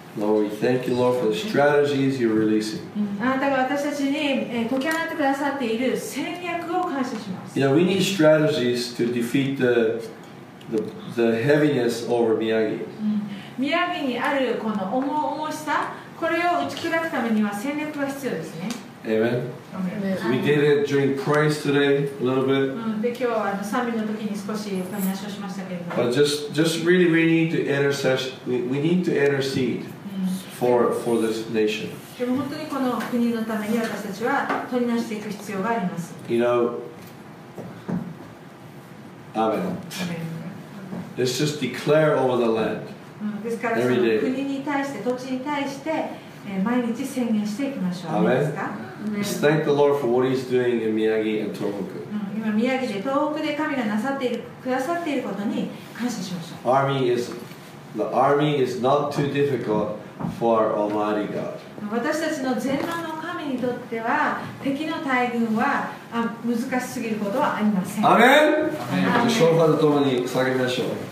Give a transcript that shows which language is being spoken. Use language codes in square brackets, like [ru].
[en] Lord, we thank you, Lord, for the strategies you're releasing. [ja] あなたが私たちに解き放ってくださっている戦略を感謝します。 [en] You know, we need strategies to defeat the heaviness over Miyagi. [ja] 宮城にあるこの重々しさ、これを打ち砕くためには戦略が必要ですね。 [en] Amen. We did it during praise today a little bit. But just really we need to intercede. We need to intercede for this nation. You know, Amen. Let's just declare over the land every day. [ja] 国に対して土地に対して毎日宣言していきましょう。 [en] Amen. Just thank the Lord for what He's doing in Miyagi and Tohoku. [ja] 今宮城で東北で神がなさっているくださっていることに感謝しましょう。 [en] The army is not too difficult for Almighty God. [ja] 私たちの全能の神にとっては敵の大軍は難しすぎることはありません。 [en] Amen. [ja] ショーファーとともに下げましょう。